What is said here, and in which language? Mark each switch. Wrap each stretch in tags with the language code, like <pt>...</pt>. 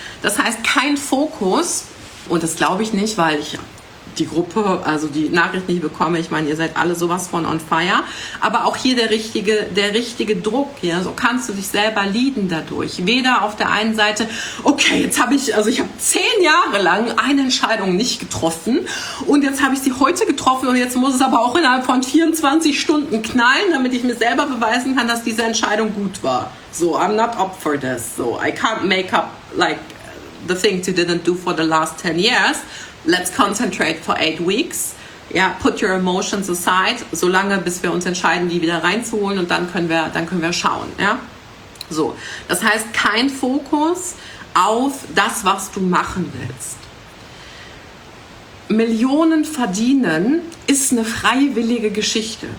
<de>Das heißt, kein Fokus, und das glaube ich nicht, weil ich die Gruppe, also die Nachrichten, die ich bekomme, ich meine, ihr seid alle sowas von on fire, aber auch hier der richtige Druck, ja, so kannst du dich selber leaden dadurch, weder auf der einen Seite, okay, jetzt habe ich, also ich habe 10 Jahre lang eine Entscheidung nicht getroffen und jetzt habe ich sie heute getroffen und jetzt muss es aber auch innerhalb von 24 Stunden knallen, damit ich mir selber beweisen kann, dass diese Entscheidung gut war.</de> <en>So, I'm not up for this, so, I can't make up, like, the things you didn't do for the last 10 years, let's concentrate for 8 weeks.</en> <de>Ja,</de> <en>put your emotions aside,</en> <de>so lange, bis wir uns entscheiden, die wieder reinzuholen, und dann können wir schauen. Ja, so. Das heißt, kein Fokus auf das, was du machen willst. Millionen verdienen ist eine freiwillige Geschichte.</de>